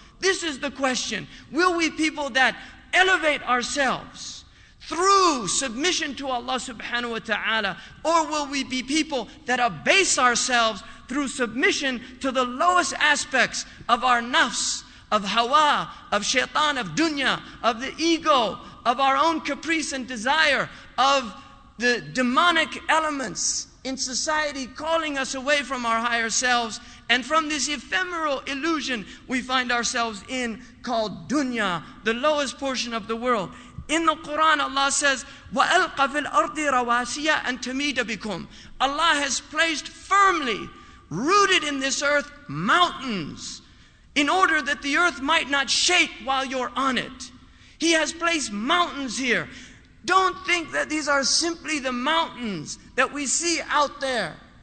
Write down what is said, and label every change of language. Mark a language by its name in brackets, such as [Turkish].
[English] This is the question. Will we people that elevate ourselves through submission to Allah subhanahu wa ta'ala, or will we be people that abase ourselves through submission to the lowest aspects of our nafs, of hawa, of shaitan, of dunya, of the ego, of our own caprice and desire, of the demonic elements in society calling us away from our higher selves and from this ephemeral illusion we find ourselves in called dunya, the lowest portion of the world. In the Quran, Allah says, [Arabic] وَأَلْقَ فِي الْأَرْضِ رَوَاسِيَا أَنْ تَمِيدَ بِكُمْ. [English] Allah has placed firmly, rooted in this earth, mountains, in order that the earth might not shake while you're on it. He has placed mountains here. Don't think that these are simply the mountains that we see out there.